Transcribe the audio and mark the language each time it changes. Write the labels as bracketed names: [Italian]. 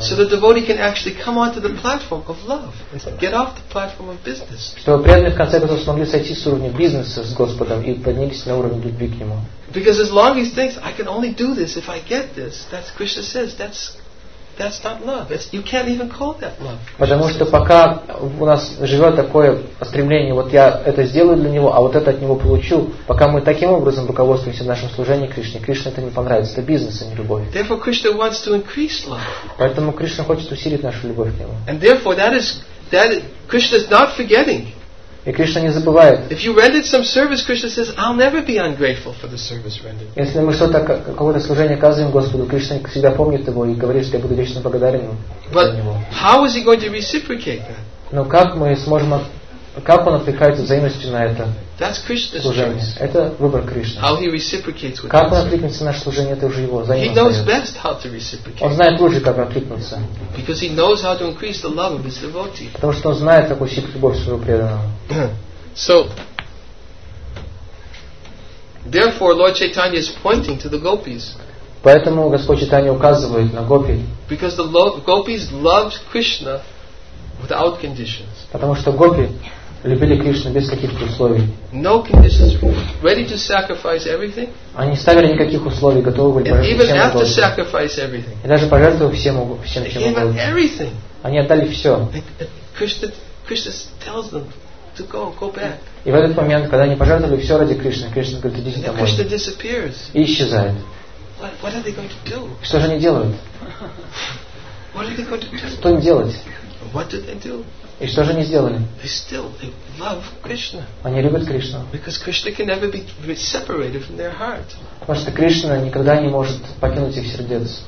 [English] So the devotee can actually come onto the platform of love and get off the platform of business. [Russian] Чтобы преданные в конце концов смогли сойти с уровня бизнеса с Господом и поднялись на уровень любви к Нему. [English] Because as long as he thinks I can only do this if I get this, that's Krishna says that's not love. It's, you can't even call that love. [Russian] Потому что пока у нас живет такое стремление, вот я это сделаю для него, а вот это от него получу, пока мы таким образом руководствуемся в нашем служении Кришне, Кришне это не понравится. Это бизнес, а не любовь. [English] Therefore, Krishna wants to increase love. [Russian] Поэтому Кришна хочет усилить нашу любовь к нему. [English] And therefore, that is Krishna is not forgetting. [Russian] И Кришна не забывает. [English] If you rendered some service, Krishna says, I'll never be ungrateful for the service rendered. [Russian] Если мы что-то какое-то служение оказываем Господу, Кришна всегда помнит его и говорит, что я буду вечно благодарен ему. [English] But how is he going to reciprocate that? [Russian] Но как мы сможем, как он отвлекается взаимностью на это? [English] That's Krishna's [Russian] служение. [English] Choice. [Russian] Это выбор Кришны. [English] How he reciprocates with [Russian] как он откликнется на наше служение, это уже его взаимность. [English] He knows best how to reciprocate. [Russian] Он знает лучше, как откликнуться. [English] Because he knows how to increase the love of his devotee. [Russian] Потому что он знает, как усилить любовь своего преданного. [English] So, therefore, Lord Chaitanya is pointing to the gopis. [Russian] Поэтому Господь Чайтанья указывает на гопи. [English] Because the gopis loved Krishna without conditions. [Russian] Потому что гопи любили Кришну без каких-то условий. [English] No conditions. Ready to sacrifice everything. [Russian] Они не ставили никаких условий, готовы были пожертвовать всем. И даже пожертвовали всем, чем могли. Они отдали все. [English] Krishna tells them to go back. [Russian] И в этот момент, когда они пожертвовали все ради Кришны, Кришна говорит, идите домой. [English] Krishna disappears. [Russian] И исчезает. [English] What are they going to do? [Russian] Что же они делают? [English] What are they going to do? [Russian] Что им делать? [English] What do they do? [Russian] И что же они сделали? [English] They still love Krishna. [Russian] Они любят Кришну. [English] Because Krishna can never be separated from their heart. [Russian] Потому что Кришна никогда не может покинуть их сердец.